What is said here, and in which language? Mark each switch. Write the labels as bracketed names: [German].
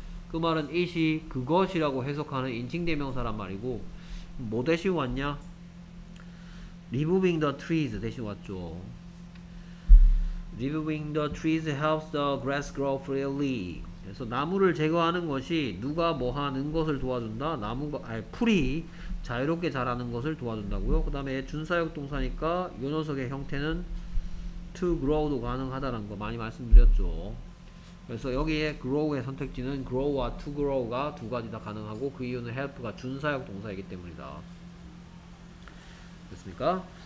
[Korean] 그 말은 it이 그것이라고 해석하는 인칭대명사란 말이고 뭐 대신 왔냐? [English] Removing the trees [Korean] 대신 왔죠. [English] Removing the trees helps the grass grow freely. [Korean] 그래서 나무를 제거하는 것이 누가 뭐 하는 것을 도와준다? 나무가 아니 풀이 자유롭게 자라는 것을 도와준다고요. 그 다음에 준사역 동사니까 이 녀석의 형태는 to grow도 가능하다는 거 많이 말씀드렸죠. 그래서 여기에 grow의 선택지는 grow와 to grow가 두 가지 다 가능하고 그 이유는 help가 준사역 동사이기 때문이다. 됐습니까?